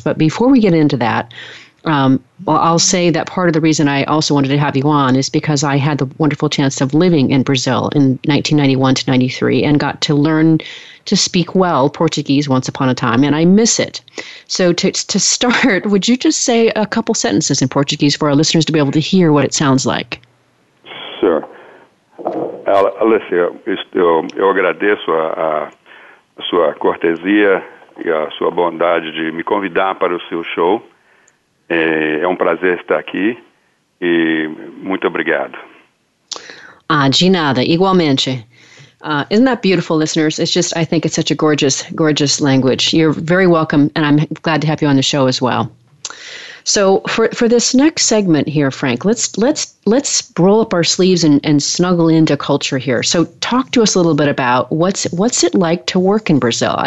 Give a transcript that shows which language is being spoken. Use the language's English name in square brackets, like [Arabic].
[English] But before we get into that, I'll say that part of the reason I also wanted to have you on is because I had the wonderful chance of living in Brazil in 1991 to 93 and got to learn to speak well Portuguese once upon a time, and I miss it. So to start, would you just say a couple sentences in Portuguese for our listeners to be able to hear what it sounds like? Sure. [Portuguese] Alicia, eu agradeço a sua cortesia e a sua bondade de me convidar para o seu show. É um prazer estar aqui e muito obrigado. [English] Ah, [Portuguese] de nada, igualmente. [English] Isn't that beautiful, listeners? It's just, I think it's such a gorgeous, gorgeous language. You're very welcome, and I'm glad to have you on the show as well. So for this next segment here, Frank, let's roll up our sleeves and snuggle into culture here. So talk to us a little bit about what's it like to work in Brazil.